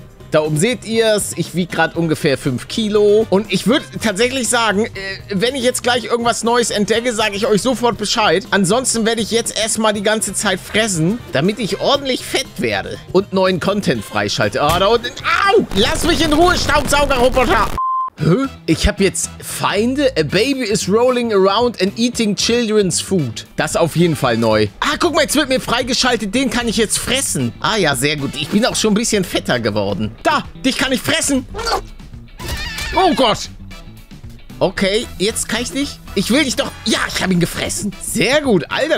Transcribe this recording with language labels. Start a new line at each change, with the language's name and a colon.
German: Da oben seht ihr es. Ich wiege gerade ungefähr 5 Kilo. Und ich würde tatsächlich sagen, wenn ich jetzt gleich irgendwas Neues entdecke, sage ich euch sofort Bescheid. Ansonsten werde ich jetzt erstmal die ganze Zeit fressen, damit ich ordentlich fett werde. Und neuen Content freischalte. Ah, da unten. Au! Lass mich in Ruhe, Staubsauger-Roboter! Hä? Ich habe jetzt Feinde?
English: A baby is rolling around and eating children's food.
German: Das ist auf jeden Fall neu. Ah, guck mal, jetzt wird mir freigeschaltet. Den kann ich jetzt fressen. Ah ja, sehr gut. Ich bin auch schon ein bisschen fetter geworden. Da, dich kann ich fressen. Oh Gott. Okay, jetzt kann ich dich. Ich will dich doch... Ja, ich habe ihn gefressen. Sehr gut, Alter.